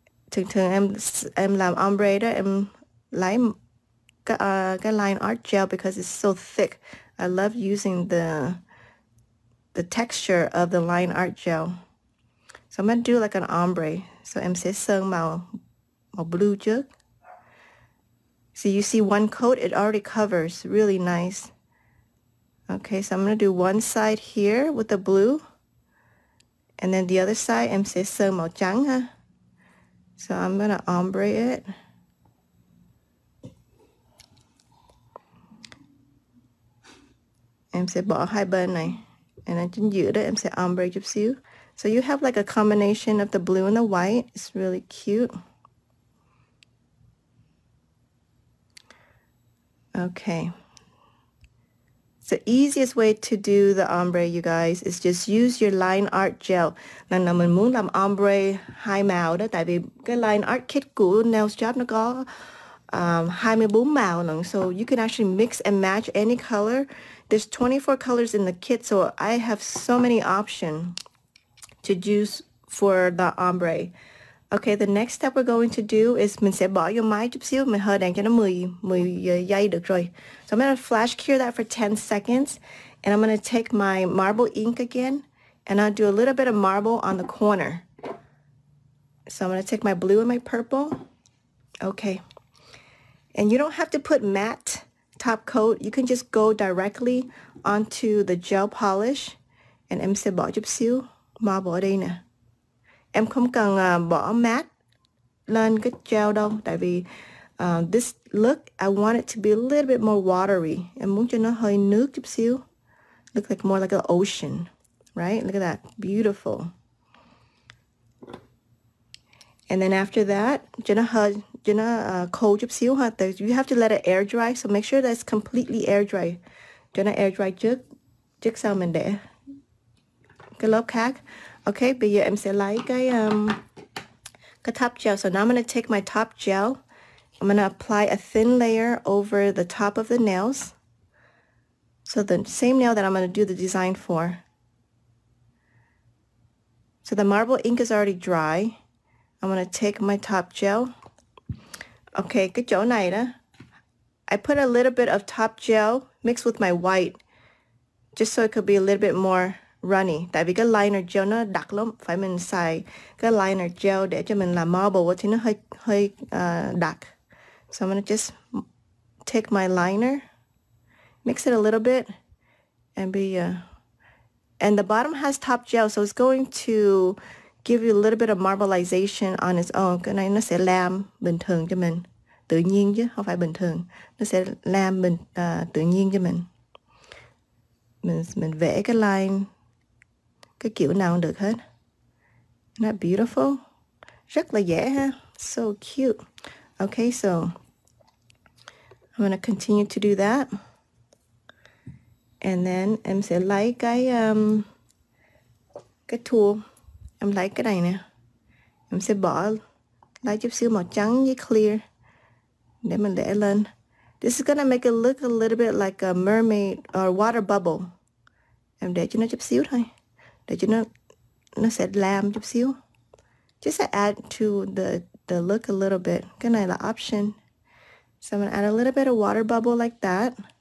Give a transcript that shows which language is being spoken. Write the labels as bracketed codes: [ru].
[vi] Thường thường em làm ombre đó, em lấy cái line art gel [en] because it's so thick. I love using the texture of the line art gel. So I'm gonna do like an ombre. So [vi] em sẽ sơn màu blue trước. [en] So you see one coat, it already covers really nice. Okay, so I'm gonna do one side here with the blue. And then the other side, [vi] em sẽ sơn màu trắng ha. [en] So I'm gonna ombre it. [vi] Em sẽ bỏ hai bên này. And then giữa đó em sẽ ombre chút xíu. [en] So you have like a combination of the blue and the white. It's really cute. Okay. The easiest way to do the ombre, you guys, is just use your line art gel. [vi] Lần nào mình muốn làm ombre hai màu đó, tại vì cái line art kit của Nails Job nó có 24 màu lận. [en] So you can actually mix and match any color. There's 24 colors in the kit, so I have so many options to use for the ombre. [vi] Okay, [en] the next step we're going to do is [vi] mình sẽ bỏ vô máy chút xíu, mình hơi đèn cho nó 10 giây được rồi. [en] So I'm gonna flash cure that for 10 seconds, and I'm gonna take my marble ink again, and I'll do a little bit of marble on the corner. So I'm gonna take my blue and my purple. Okay. And you don't have to put matte top coat. You can just go directly onto the gel polish, and [vi] em sẽ bỏ chút xíu marble ở đây nè. Em không cần bỏ matte lên cái gel đâu, tại vì [en] this look, I want it to be a little bit more watery. [vi] Em muốn cho nó hơi nước chút xíu. [en] Look like more like an ocean, right? Look at that, beautiful. And then after that, [vi] cho nó khô chút xíu ha. [en] You have to let it air dry, so make sure that it's completely air dry. [vi] Cho nó air dry trước sau mình để cái lớp khác. Okay, bây giờ em sẽ lấy cái top gel. [en] So now I'm gonna take my top gel. I'm gonna apply a thin layer over the top of the nails. So the same nail that I'm gonna do the design for. So the marble ink is already dry. I'm gonna take my top gel. Okay, [vi] cái chỗ này đó, [en] I put a little bit of top gel mixed with my white, just so it could be a little bit more runny. [vi] Tại vì cái liner gel nó đặc lắm, phải mình xài cái liner gel để cho mình làm marble thì nó hơi đặc. [en] So I'm gonna just take my liner, mix it a little bit, and the bottom has top gel, so it's going to give you a little bit of marbleization on its own. [vi] Cái này nó sẽ làm bình thường cho mình, tự nhiên chứ không phải bình thường. Nó sẽ làm tự nhiên cho mình vẽ cái line cái kiểu nào cũng được hết. [en] Isn't that beautiful? [vi] Rất là dễ ha. [en] So cute. Okay, so I'm gonna continue to do that. [vi] And then em sẽ lấy cái cái tool. Em lấy cái này nè. Em sẽ bỏ lấy chút xíu màu trắng với clear. Để mình để lên. [en] This is gonna make it look a little bit like a mermaid or water bubble. [vi] Em để cho nó chút xíu thôi. Để cho nó sẽ làm chút xíu. [en] Just to add to the look a little bit. [vi] Cái này là option. [en] So I'm gonna add a little bit of water bubble like that.